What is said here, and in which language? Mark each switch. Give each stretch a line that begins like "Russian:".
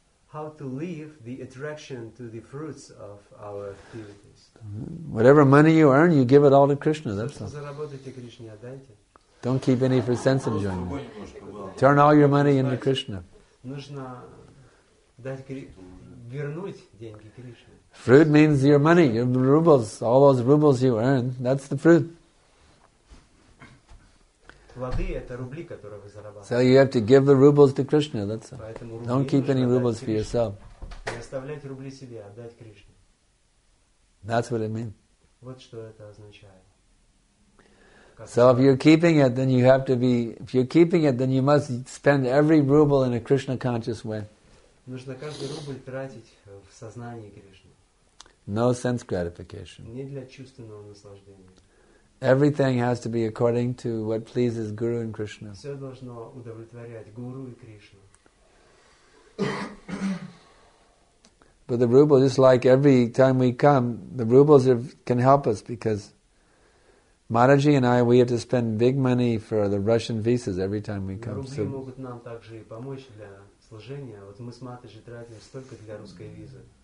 English: How to leave the attraction to the fruits of our activities. Whatever money you earn, you give it all to Krishna. That's all.
Russian: Заработайте Кришне, отдайте.
English: Don't keep any for sense enjoyment. Turn all your money into Krishna.
Russian: Нужно дать вернуть деньги Кришне.
English: Fruit means your money, your rubles, all those rubles you earn. That's the fruit.
Russian: Плоды – это рубли, которые вы зарабатываете.
English: So you have to give the rubles to Krishna. That's all. Don't keep any rubles for yourself.
Russian: Не оставлять рубли себе, отдать Кришне.
English: That's what it means.
Russian: Вот что это означает.
English: So if you're keeping it, then you have to be. If you're keeping it, then you must spend every ruble in a Krishna conscious way.
Russian: Нужно каждый рубль тратить в сознании Кришны.
English: No sense gratification.
Russian: Не для чувственного наслаждения.
English: Everything has to be according to what pleases Guru and Krishna.
Russian: Все должно удовлетворять Гуру и Кришну.
English: But the ruble, just like every time we come, the rubles can help us because. Maharaji and I, we have to spend big money for the Russian visas every time we come.
Russian: Рубли могут нам также и помочь для служения. Вот мы с Матаджи тратим столько для русской визы.